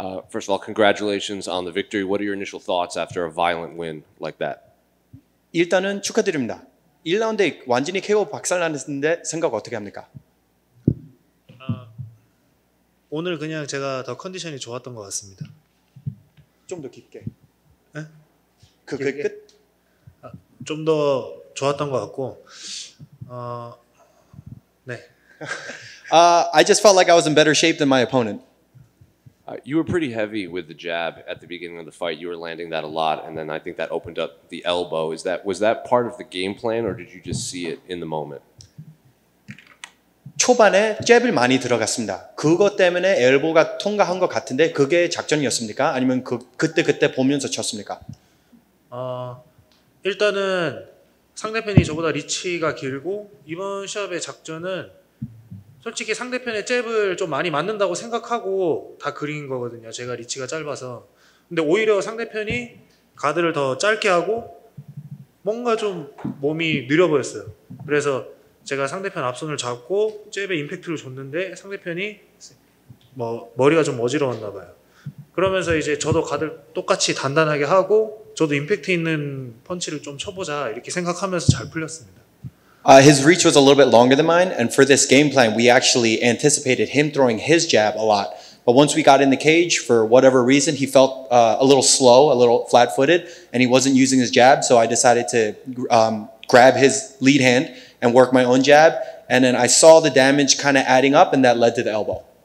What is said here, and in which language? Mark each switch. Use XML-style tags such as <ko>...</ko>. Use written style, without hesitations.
<en>First of all, congratulations on the victory. What are your initial thoughts after a violent win like that?</en> <ko>일단은 축하드립니다. 1라운드에 완전히 KO 박살났는데 생각 어떻게 합니까? 오늘 그냥 제가 더 컨디션이 좋았던 것 같습니다. 좀 더 깊게. 네? 그 끝? 좀 더 좋았던 것 같고. 네.</ko> <en>I just felt like I was in better shape than my opponent. You were pretty heavy with the jab at the beginning of the fight. You were landing that a lot, and then I think that opened up the elbow. Was that part of the game plan, or did you just see it in the moment?</en> <ko>초반에 잽을 많이 들어갔습니다. 그것 때문에 엘보가 통과한 것 같은데 그게 작전이었습니까? 아니면 그때 보면서 쳤습니까? 일단은 상대편이 저보다 리치가 길고 이번 시합의 작전은 솔직히 상대편의 잽을 좀 많이 맞는다고 생각하고 다 그린 거거든요. 제가 리치가 짧아서. 근데 오히려 상대편이 가드를 더 짧게 하고 뭔가 좀 몸이 느려 보였어요. 그래서 제가 상대편 앞손을 잡고 잽에 임팩트를 줬는데 상대편이 뭐 머리가 좀 어지러웠나 봐요. 그러면서 이제 저도 가드를 똑같이 단단하게 하고 저도 임팩트 있는 펀치를 좀 쳐보자 이렇게 생각하면서 잘 풀렸습니다.</ko> <en>His reach was a little bit longer than mine, and for this game plan, we actually anticipated him throwing his jab a lot. But once we got in the cage, for whatever reason, he felt a little slow, a little flat-footed, and he wasn't using his jab, so I decided to grab his lead hand and work my own jab, and then I saw the damage kind of adding up, and that led to the elbow.</en>